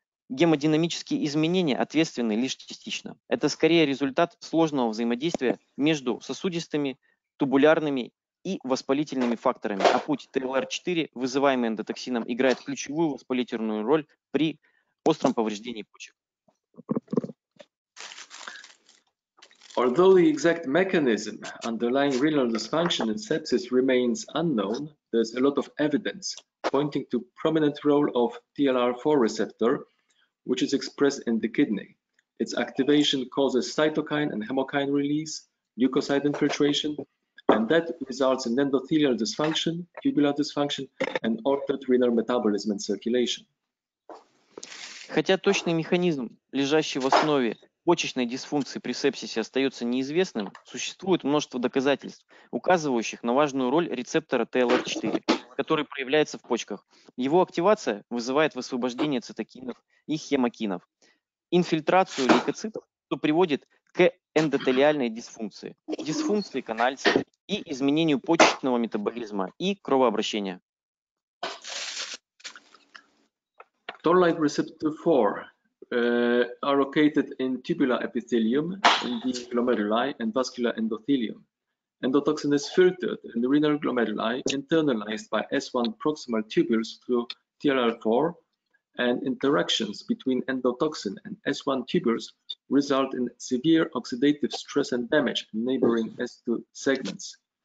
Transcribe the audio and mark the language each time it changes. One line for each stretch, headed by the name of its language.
Russian: Гемодинамические изменения ответственны лишь частично. Это скорее результат сложного взаимодействия между сосудистыми, тубулярными и воспалительными факторами, а путь ТЛР4, вызываемый эндотоксином, играет ключевую воспалительную роль при остром повреждении почек.
English: Although the exact mechanism underlying renal dysfunction in sepsis remains unknown, there's a lot of evidence pointing to prominent role of TLR4 receptor, which is expressed in the kidney. Its activation causes cytokine and chemokine release, leukocyte infiltration, and that results in endothelial dysfunction, tubular dysfunction, and altered renal metabolism and circulation.
Russian: Хотя точный механизм, лежащий в основе почечной дисфункции при сепсисе, остается неизвестным, существует множество доказательств, указывающих на важную роль рецептора TLR4, который проявляется в почках. Его активация вызывает высвобождение цитокинов и хемокинов, инфильтрацию лейкоцитов, что приводит к эндотелиальной дисфункции, дисфункции канальцев и изменению почечного метаболизма и кровообращения.
English: Toll-like receptor 4 are located in tubular epithelium, in the glomeruli, and vascular endothelium. Endotoxin is filtered in the renal glomeruli, internalized by S1 proximal tubules through TLR4, and interactions between endotoxin and S1 tubules result in severe oxidative stress and damage in neighboring S2 segments.